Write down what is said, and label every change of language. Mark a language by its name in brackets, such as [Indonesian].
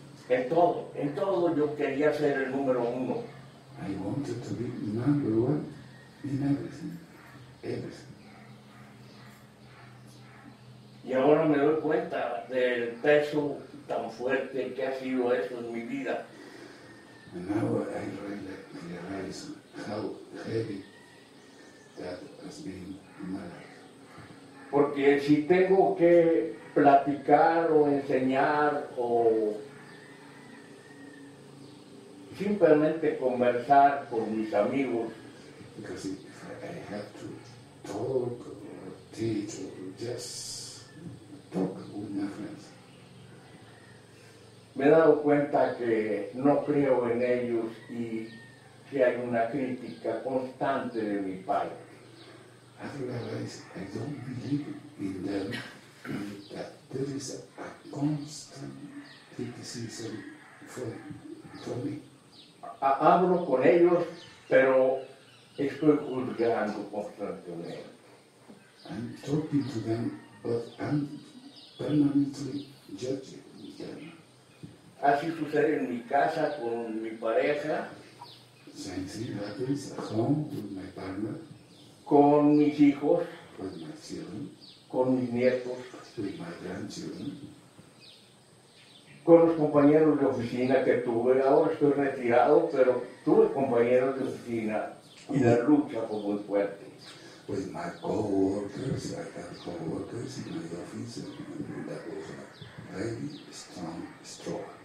[Spanish] En todo yo quería ser el número uno. [English] I wanted to be number one in everything. Everything. [Spanish] Y ahora me doy cuenta del peso tan fuerte que ha sido eso en mi vida. [English] And now I realize how heavy that has been in my life. [Spanish] Porque si tengo que platicar o enseñar o simplemente conversar con mis amigos. [English] Because if I have to talk or teach or just talk with my friends. [Spanish] Me he dado cuenta que no creo en ellos y que hay una crítica constante de mi parte. [English] I realize I don't believe in them and that there is a constant criticism for me. [Spanish] Hablo con ellos, pero estoy juzgando constantemente. [English] I'm talking to them, but I'm permanently judging them. [Spanish] Así sucede en mi casa con mi pareja. [English] Same thing happens at home with my partner. [Spanish] Con mis hijos. [English] With my children. [Spanish] Con mis nietos. [English] With my grandchildren. [Spanish] Con los compañeros de oficina que tuve. Ahora estoy retirado, pero tuve compañeros de oficina y la lucha fue muy fuerte. [English] With my co-workers, I have co-workers in my office, and that was a very strong struggle.